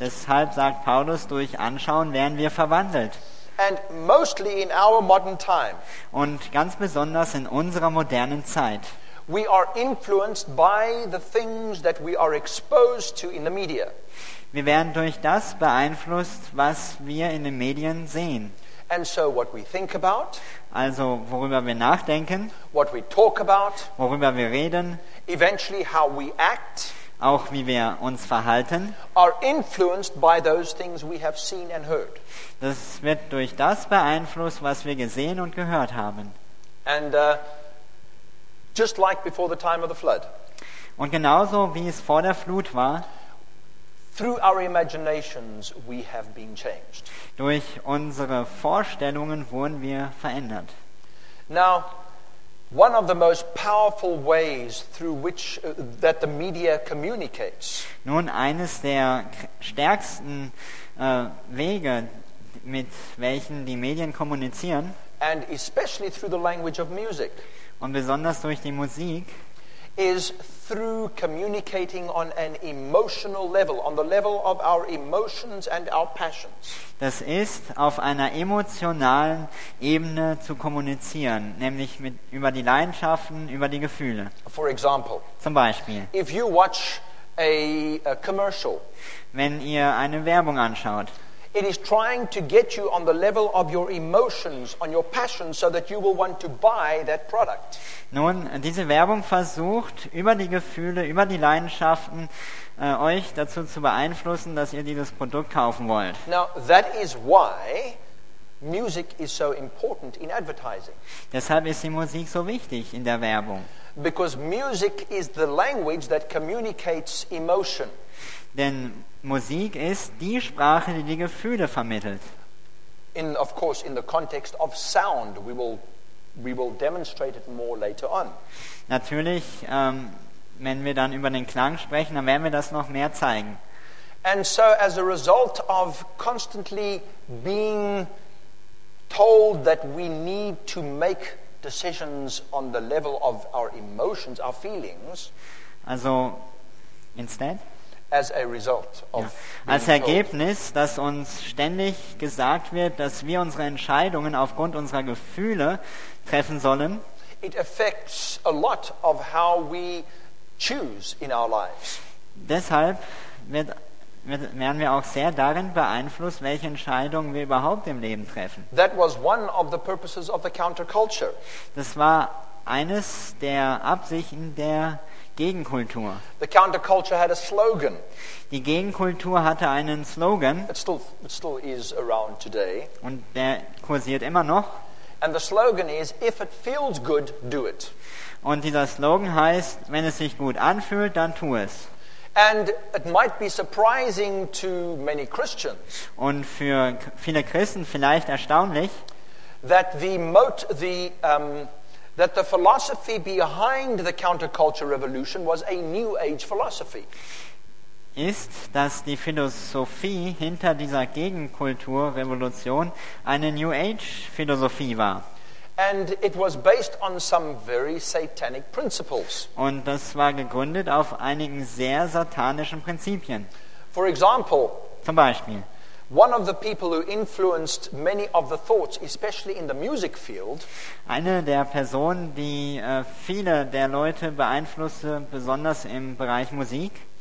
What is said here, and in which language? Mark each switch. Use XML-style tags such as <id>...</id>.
<de>Deshalb sagt Paulus, durch Anschauen werden wir verwandelt.</de> <en>And mostly in our modern time.</en> <de>Und ganz besonders in unserer modernen Zeit.</de> <en>We are influenced by the things that we are exposed to in the media.</en> <de>Wir werden durch das beeinflusst, was wir in den Medien sehen.</de> <en>And so what we think about,</en> <de>also worüber wir nachdenken,</de> <en>what we talk about,</en> <de>worüber wir reden,</de> <en>eventually how we act,</en> <de>auch wie wir uns verhalten,</de> <en>are influenced by those things we have seen and heard.</en> <de>Das wird durch das beeinflusst, was wir gesehen und gehört haben.</de> <en>And just like before the time of the flood.</en> <de>Und genauso wie es vor der Flut war,</de> <en>through our imaginations we have been changed.</en> <de>Durch unsere Vorstellungen wurden wir verändert.</de> <en>Now, one of the most powerful ways through which that the media communicates.</en> <de>Nun, eines der stärksten Wege, mit welchen die Medien kommunizieren,</de> <en>and especially through the language of music.</en> <de>Und besonders durch die Musik,</de> <en>is through communicating on an emotional level, on the level of our emotions and our passions.</en> <de>Das ist, auf einer emotionalen Ebene zu kommunizieren, nämlich mit, über die Leidenschaften, über die Gefühle.</de> <en>For example,</en> <de>zum Beispiel,</de> <en>if you watch a commercial,</en> <de>wenn ihr eine Werbung anschaut,</de> <en>it is trying to get you on the level of your emotions, on your passions, so that you will want to buy that product.</en> <de>Nun, diese Werbung versucht, über die Gefühle, über die Leidenschaften, euch dazu zu beeinflussen, dass ihr dieses Produkt kaufen wollt.</de> <en>Now, that is why music is so important in advertising.</en> <de>Deshalb ist die Musik so wichtig in der Werbung.</de> <en>Because music is the language that communicates emotion.</en> <de>Denn Musik ist die Sprache, die die Gefühle vermittelt.</de> <en>In, of course, in the context of sound, we will demonstrate it more later on.</en> <de>Natürlich, wenn wir dann über den Klang sprechen, dann werden wir das noch mehr zeigen.</de> <en>And so, as a result of constantly being told that we need to make decisions on the level of our emotions, our feelings. Also, instead. As a result of</en> <de>als Ergebnis, dass uns ständig gesagt wird, dass wir unsere Entscheidungen aufgrund unserer Gefühle treffen sollen.</de> <en>It affects a lot of how we choose in our lives.</en> <de>Deshalb werden wir auch sehr darin beeinflusst, welche Entscheidungen wir überhaupt im Leben treffen.</de> <en>That was one of the purposes of the counterculture.</en> <de>Das war eines der Absichten der Gegenkultur.</de> <en>The counterculture had a slogan.</en> <de>Die Gegenkultur hatte einen Slogan.</de> <en>It still is around today.</en> <de>Und der kursiert immer noch.</de> <en>And the slogan is, if it feels good, do it.</en> <de>Und dieser Slogan heißt, wenn es sich gut anfühlt, dann tu es.</de> <en>And it might be surprising to many Christians.</en> <de>Und für viele Christen vielleicht erstaunlich,</de> <en>that that the philosophy behind the counterculture revolution was a new age philosophy.</en> <de>Ist, dass die Philosophie hinter dieser Gegenkulturrevolution eine New Age Philosophie war.</de> <en>And it was based on some very satanic principles.</en> <de>Und das war gegründet auf einigen sehr satanischen Prinzipien.</de> <en>For example,</en> <de>zum Beispiel,</de> <en>one of the people who influenced many of the thoughts, especially in the music field,</en> <de>eine der Personen, die viele der Leute beeinflusste, besonders im Bereich Musik,</de>